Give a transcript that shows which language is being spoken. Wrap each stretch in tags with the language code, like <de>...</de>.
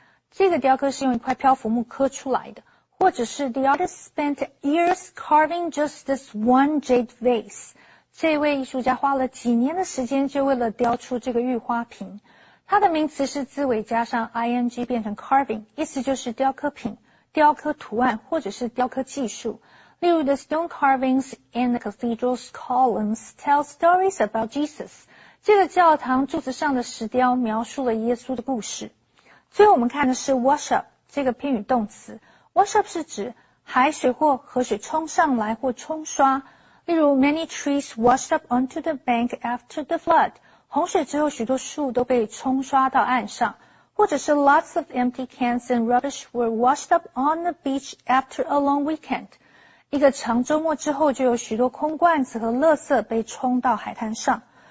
<zh>这个雕刻是用一块漂浮木刻出来的。或者是</zh> <en>,the artist spent years carving just this one jade vase.</en> <zh>这位艺术家花了几年的时间就为了雕出这个玉花瓶。它的名词是字尾加上 ing 变成 carving, 意思就是雕刻品、雕刻图案或者是雕刻技术。例如</zh> <en>the stone carvings in the cathedral's columns tell stories about Jesus.</en> <zh>这个教堂柱子上的石雕描述了耶稣的故事。最后我们看的是 wash up, 这个偏语动词。wash up 是指海水或河水冲上来或冲刷。例如</zh> <en>,many trees washed up onto the bank after the flood.</en> <zh>洪水之后许多树都被冲刷到岸上。或者是</zh> <en>,lots of empty cans and rubbish were washed up on the beach after a long weekend.</en> <zh>一个长周末之后就有许多空罐子和垃圾被冲到海滩上。</zh>